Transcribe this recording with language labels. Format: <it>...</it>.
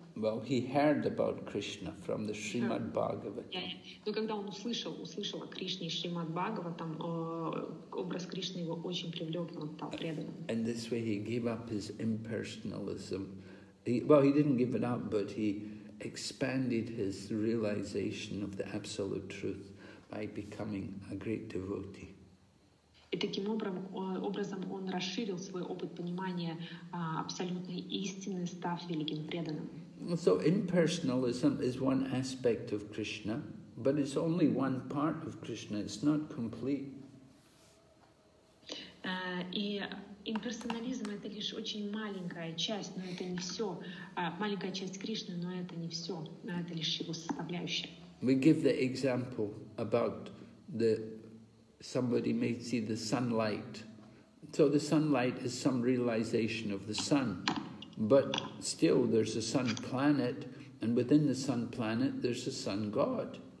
<en>Well, he heard about Krishna from the Srimad Bhagavatam.</en> <ru>Но когда он услышал о Кришне из Шримад Бхагаватам, образ Кришны его очень привлек, он стал преданным.</ru> <en>And this way he gave up his impersonalism. He didn't give it up, but he expanded his realization of the absolute truth by becoming a great devotee.</en> <ru>И таким образом он расширил свой опыт понимания абсолютной истины, став великим преданным.</ru> <en>So impersonalism is one aspect of Krishna, but it's only one part of Krishna, it's not complete.</en> <ru>И имперсонализм — это лишь очень маленькая часть, но это не все. Маленькая часть Кришны, но это не все, это лишь его составляющая.</ru> <en>We give the example about the somebody may see the sunlight. So the sunlight is some realization of the sun. But still there's a sun planet, and within the sun planet there's a sun god.</en>